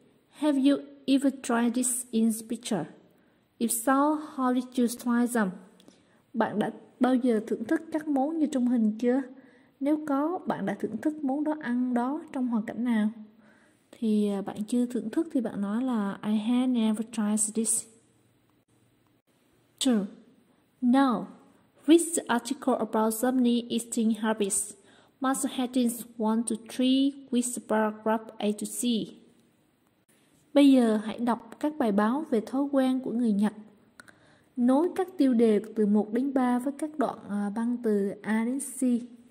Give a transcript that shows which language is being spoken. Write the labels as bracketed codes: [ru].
[en] Have you ever tried this in the picture? If so, how did you try them? [vi] Bạn đã bao giờ thưởng thức các món như trong hình chưa? Nếu có, bạn đã thưởng thức món đó ăn đó trong hoàn cảnh nào? Thì bạn chưa thưởng thức thì bạn nói là [en] I have never tried this. 2. Now, read the article about Germany eating habits. Must headings 1 to 3 with the paragraph A to C. [vi] Bây giờ hãy đọc các bài báo về thói quen của người Nhật. Nối các tiêu đề từ 1 đến 3 với các đoạn băng từ A đến C.